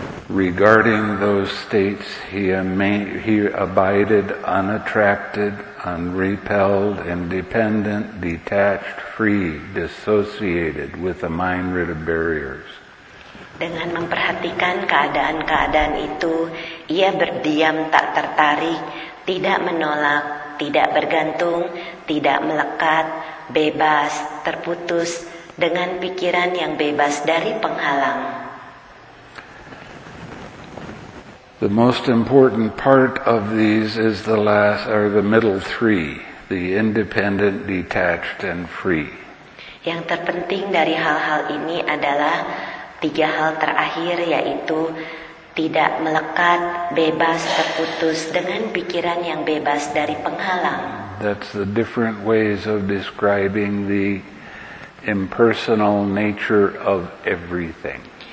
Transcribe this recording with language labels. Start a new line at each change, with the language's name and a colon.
English: Regarding those states, he abided unattracted, unrepelled, independent, detached, free, dissociated, with a mind rid of barriers.
Indonesian: Dengan memperhatikan keadaan-keadaan itu, ia berdiam tak tertarik, tidak menolak, tidak bergantung, tidak melekat, bebas, terputus, dengan pikiran yang bebas dari penghalang.
English: The most important part of these is the last, or the middle three, the independent, detached, and free.
Indonesian: Yang terpenting dari hal-hal ini adalah tiga hal terakhir, yaitu tidak melekat, bebas, terputus, dengan pikiran yang bebas dari penghalang.
English: That's the different ways of describing the impersonal nature of everything.